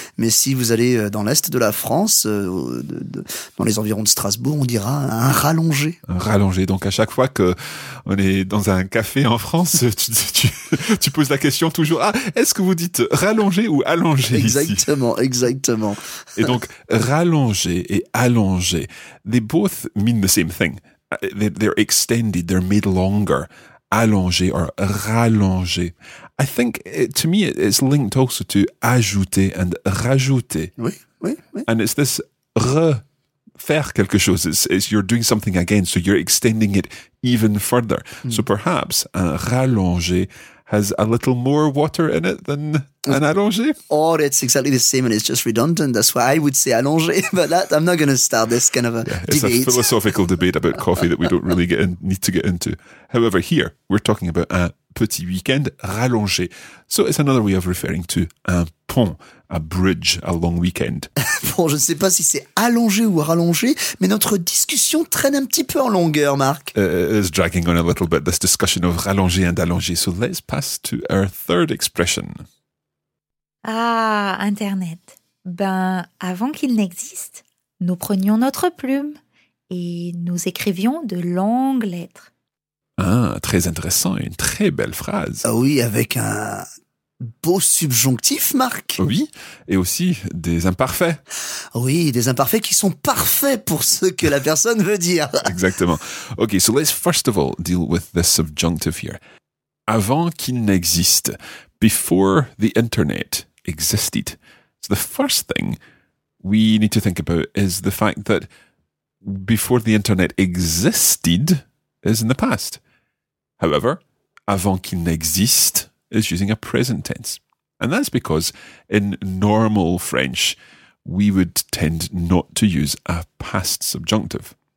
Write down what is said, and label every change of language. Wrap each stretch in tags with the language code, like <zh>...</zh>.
<fr>Mais si vous allez dans l'est de la France, dans les environs de Strasbourg, on dira un rallongé. Un rallongé. Donc, à chaque fois qu'on est dans un café en France, tu poses la question toujours, ah, est-ce que vous dites rallongé ou allongé ici? Exactement, exactement. Et donc, rallongé et allongé,</fr> <en>they both mean the same thing. They're extended, they're made longer. allonger or rallonger. I think it, to me, it's linked also to ajouter and rajouter.</en> <fr>Oui, oui, oui.</fr> <en>And it's this</en> <fr>refaire quelque chose.</fr> <en>It's you're doing something again, so you're extending it even further. Mm. So perhaps un rallonger has a little more water in it than an allonger? Or it's exactly the same and it's just redundant. That's why I would say allonger, but that, I'm not going to start this kind of a debate. It's a philosophical debate about coffee that we don't really need to get into. However, here we're talking about</en> <fr>un petit weekend rallongé.</fr> <en>So it's another way of referring to un pont, a bridge, a long weekend.</en> <fr>Bon, je ne sais pas si c'est allongé ou rallongé, mais notre discussion traîne un petit peu en longueur, Marc.</fr> <en>It's dragging on a little bit, this discussion of rallongé and allongé. So let's pass to our third expression.</en> <fr>Ah, Internet. Ben, avant qu'il n'existe, nous prenions notre plume et nous écrivions de longues lettres. Ah, très intéressant, une très belle phrase. Ah oui, avec un beau subjonctif, Marc. Oui, et aussi des imparfaits. Oui, des imparfaits qui sont parfaits pour ce que la personne veut dire. Exactement.</fr> <en>Ok, so let's first of all deal with the subjunctive here.</en> <fr>Avant qu'il n'existe,</fr> <en>before the internet existed. So the first thing we need to think about is the fact that before the internet existed is in the past. However,</en> <fr>avant qu'il n'existe</fr> <en>is using a present tense. And that's because in normal French, we would tend not to use a past subjunctive.</en>